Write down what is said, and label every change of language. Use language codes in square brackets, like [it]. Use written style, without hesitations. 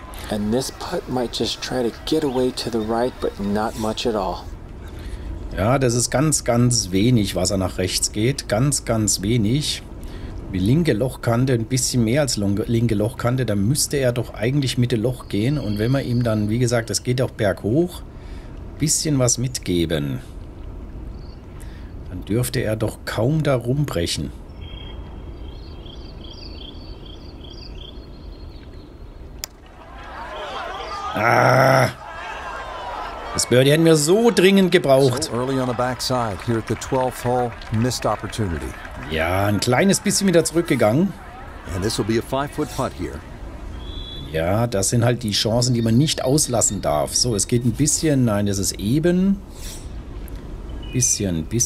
[en] And this putt might just try to get away to the right, but not much at all. [de] Ja, das ist ganz, ganz wenig, was er nach rechts geht. Ganz, ganz wenig. Die linke Lochkante, ein bisschen mehr als linke Lochkante, da müsste er doch eigentlich Mitte Loch gehen. Und wenn man ihm dann, wie gesagt, das geht auch berghoch, ein bisschen was mitgeben, dann dürfte er doch kaum da rumbrechen. Ah! Das Birdie hätten wir so dringend gebraucht. [en] So early on the backside, here at the 12th hole, missed opportunity. [de] Ja, ein kleines bisschen wieder zurückgegangen. [en] And this will be a 5-foot putt here. [de] Ja, das sind halt die Chancen, die man nicht auslassen darf. So, es geht ein bisschen, nein, das ist eben. Bisschen.